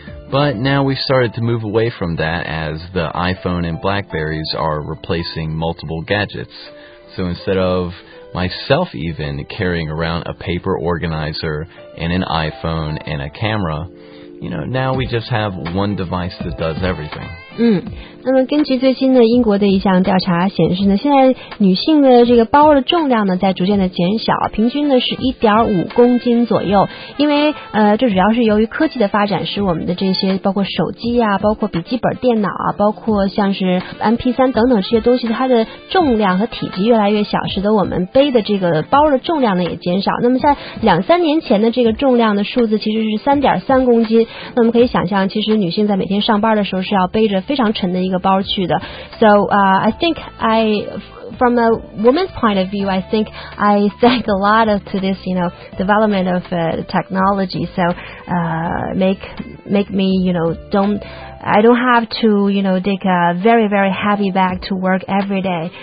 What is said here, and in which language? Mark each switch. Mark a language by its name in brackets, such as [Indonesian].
[English] But now we've started to move away from that as the iPhone and BlackBerries are replacing multiple gadgets. So instead of myself even carrying around a paper organizer and an iPhone and a camera, you know, now we just have one device that does everything. [Chinese] 那么根据最新的英国的一项调查显示呢，现在女性的这个包的重量呢在逐渐的减小，平均呢是 1.5 公斤左右。因为这主要是由于科技的发展，使我们的这些包括手机啊，包括笔记本电脑啊，包括像是 MP3 等等这些东西，它的重量和体积越来越小，使得我们背的这个包的重量呢也减少。那么在两三年前的这个重量的数字其实是 3.3 公斤，那么可以想象其实女性在每天上班的时候是要背着非常沉的一个包去的。 [English] So I think I from a woman's point of view, I think I thank a lot of to this, you know, development of technology. So make me, you know, I don't have to, you know, take a very, very heavy bag to work every day.